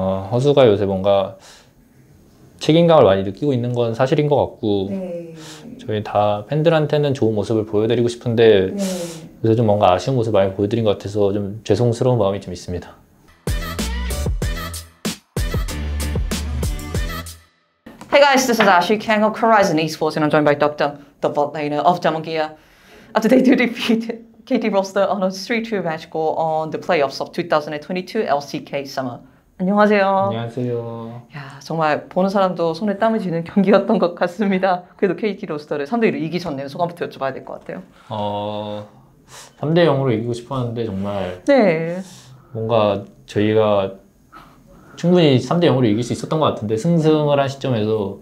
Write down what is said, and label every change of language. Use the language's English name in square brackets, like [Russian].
[Korean] 허수가 요새 뭔가 책임감을 많이 느끼고 있는 건 사실인 것 같고, 저희 다 팬들한테는 좋은 모습을 보여드리고 싶은데, 요새 좀 뭔가 아쉬운 모습 많이 보여드린 것 같아서 좀 죄송스러운 마음이 좀 있습니다. [English] 네. Hey guys, this is Ashley Kang of Horizon Esports, and I'm joined by Dr. The Bot Laner of Demon Gear. After they do defeat KT Roster on a 3-2 match score on the playoffs of 2022 LCK Summer. [Korean] 안녕하세요. 안녕하세요. 야, 정말 보는 사람도 손에 땀을 쥐는 경기였던 것 같습니다. 그래도 KT 로스터를 3대 1로 이기셨네요. 소감부터 여쭤봐야 될것 같아요. 3대 0으로 이기고 싶었는데, 정말 네. 뭔가 저희가 충분히 3대 0으로 이길 수 있었던 것 같은데, 승승을 한 시점에서.